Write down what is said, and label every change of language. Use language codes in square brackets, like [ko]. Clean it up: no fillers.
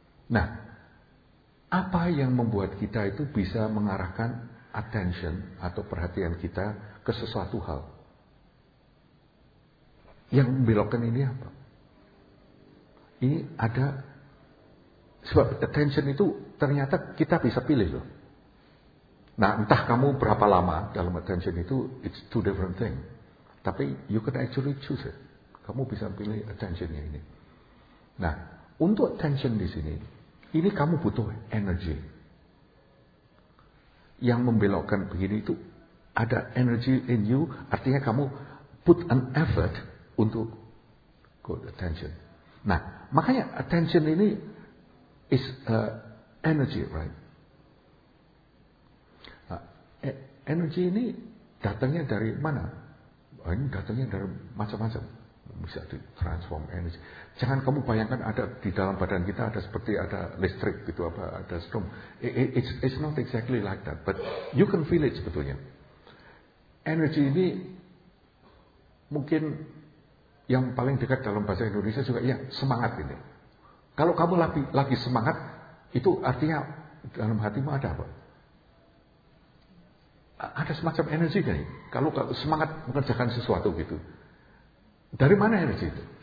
[id] Nah, apa yang membuat kita itu bisa mengarahkan attention atau perhatian kita ke sesuatu hal? Yang membelokkan ini apa? Ini ada, sebab attention itu ternyata kita bisa pilih loh. Nah, entah kamu berapa lama dalam attention itu, [en] it's two different thing. [id] Tapi [en] you can actually choose it. [id] Kamu bisa pilih attentionnya ini. Nah, untuk attention di sini, ini kamu butuh energy. Yang membelokkan begini itu ada energy [en] in you, [id] artinya kamu [en] put an effort [id] untuk [en] good attention. [id] Nah, makanya [en] attention [id] ini [en] is energy, right? [id] Energy ini datangnya dari mana? Ini datangnya dari macam-macam. Bisa di transform energy. Jangan kamu bayangkan ada di dalam badan kita ada seperti ada listrik gitu, apa ada storm. [en] It's not exactly like that, but you can feel it [id] sebetulnya. Energy ini mungkin yang paling dekat dalam bahasa Indonesia juga ya semangat ini. Kalau kamu lagi semangat, itu artinya dalam hatimu ada apa? Ada semacam energi kan? Kalau semangat mengerjakan sesuatu gitu. Dari mana energi itu?